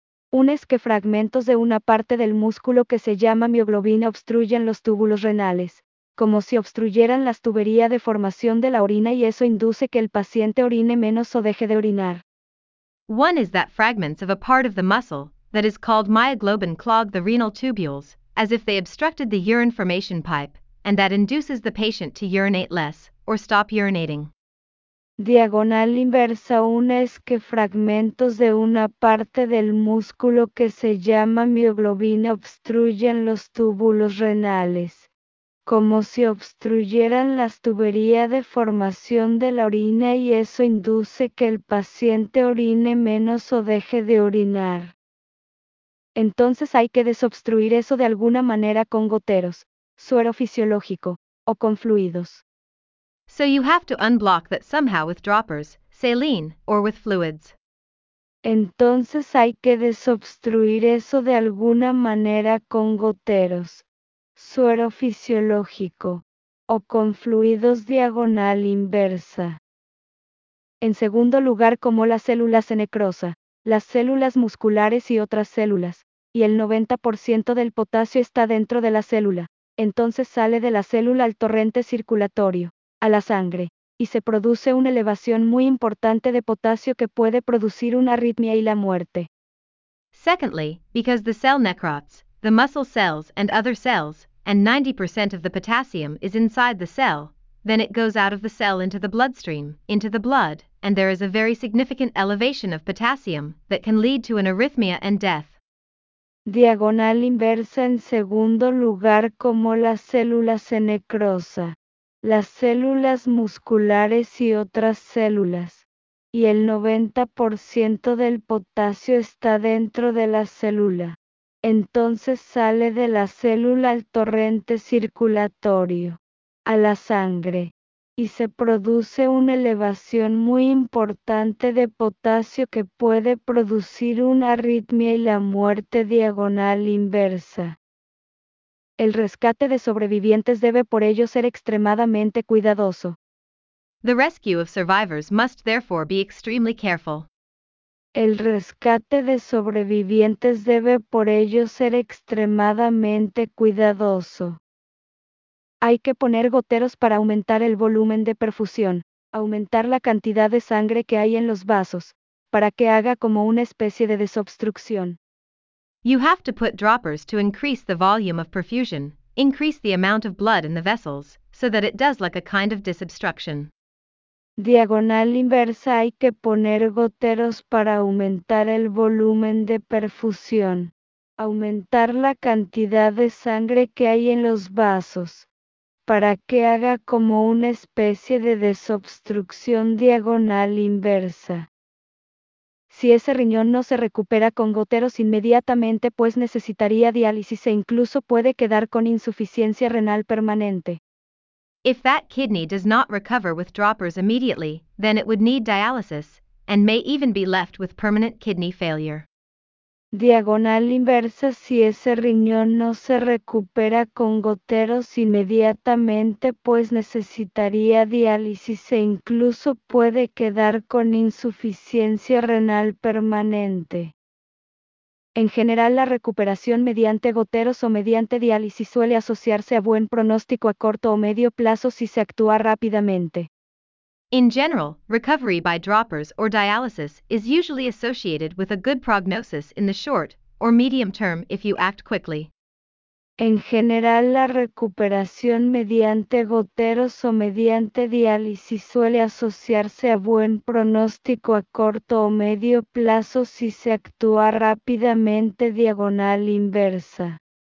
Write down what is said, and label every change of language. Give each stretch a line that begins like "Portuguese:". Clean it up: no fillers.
Spanish: Un es que fragmentos de una parte del músculo que se llama mioglobina obstruyen los túbulos renales, como si obstruyeran las tuberías de formación de la orina y eso induce que el paciente orine menos o deje de orinar.
English: One is that fragments of a part of the muscle, that is called myoglobin, clog the renal tubules, as if they obstructed the urine formation pipe, and that induces the patient to urinate less or stop urinating.
Spanish: Diagonal inversa una es que fragmentos de una parte del músculo que se llama mioglobina obstruyen los túbulos renales, como si obstruyeran las tuberías de formación de la orina y eso induce que el paciente orine menos o deje de orinar. Entonces hay que desobstruir eso de alguna manera con goteros, suero fisiológico, o con fluidos.
English: So you have to unblock that somehow with droppers, saline, or with fluids.
Spanish: Entonces hay que desobstruir eso de alguna manera con goteros, suero fisiológico, o con fluidos diagonal inversa. En segundo lugar, como las células se necrosa, las células musculares y otras células, y el 90% del potasio está dentro de la célula, entonces sale de la célula al torrente circulatorio, a la sangre, y se produce una elevación muy importante de potasio que puede producir una arritmia y la muerte.
English: Secondly, because the cell necrots, the muscle cells and other cells, and 90% of the potassium is inside the cell, then it goes out of the cell into the bloodstream, into the blood, and there is a very significant elevation of potassium that can lead to an arrhythmia and death.
Spanish: Diagonal inversa en segundo lugar como las células se necrosa, las células musculares y otras células, y el 90% del potasio está dentro de la célula, entonces sale de la célula al torrente circulatorio, a la sangre, y se produce una elevación muy importante de potasio que puede producir una arritmia y la muerte diagonal inversa. El rescate de sobrevivientes debe por ello ser extremadamente cuidadoso.
English: The rescue of survivors must therefore be extremely careful.
Spanish: El rescate de sobrevivientes debe por ello ser extremadamente cuidadoso. Hay que poner goteros para aumentar el volumen de perfusión, aumentar la cantidad de sangre que hay en los vasos, para que haga como una especie de desobstrucción.
English: You have to put droppers to increase the volume of perfusion, increase the amount of blood in the vessels, so that it does like a kind of disobstruction.
Spanish: Diagonal inversa, hay que poner goteros para aumentar el volumen de perfusión, aumentar la cantidad de sangre que hay en los vasos, para que haga como una especie de desobstrucción diagonal inversa. Si ese riñón no se recupera con goteros inmediatamente, pues necesitaría diálisis e incluso puede quedar con insuficiencia renal permanente.
English: If that kidney does not recover with droppers immediately, then it would need dialysis, and may even be left with permanent kidney failure.
Spanish: Diagonal inversa, si ese riñón no se recupera con goteros inmediatamente, pues necesitaría diálisis e incluso puede quedar con insuficiencia renal permanente. En general, la recuperación mediante goteros o mediante diálisis suele asociarse a buen pronóstico a corto o medio plazo si se actúa rápidamente.
English: In general, recovery by droppers or dialysis is usually associated with a good prognosis in the short or medium term if you act quickly.
Spanish: En general, la recuperación mediante goteros o mediante diálisis suele asociarse a buen pronóstico a corto o medio plazo si se actúa rápidamente diagonal inversa.